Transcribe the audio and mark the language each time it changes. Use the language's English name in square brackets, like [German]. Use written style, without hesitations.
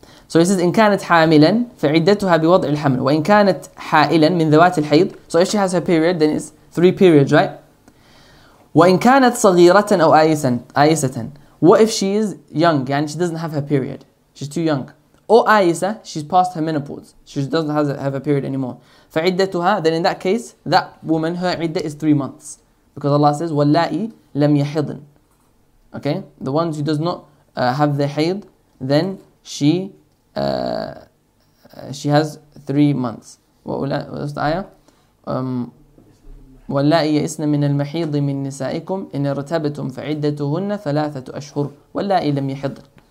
[Arabic] So it says, إن كانت حاملا فعدتها بوضع الحمل وإن كانت حائلا من ذوات الحيض. [English] So if she has her period, then it's 3 periods, right? [Arabic] وإن كانت صغيرة أو آيسة. [English] What if she is young? يعني she doesn't have her period. She's too young. Or آيسة, she's past her menopause. She doesn't have her period anymore. فعدتها, then in that case, that woman, her عدة is 3 months. Because Allah says, [Arabic] واللائي لم يحضن. [English] Okay? The ones who does not have the حيض, then she has 3 months. What was the ayah? [Arabic] واللائي يئسن من المحيض من نسائكم إن ارتبتم فعدتهن ثلاثة أشهر واللائي لم يحضن.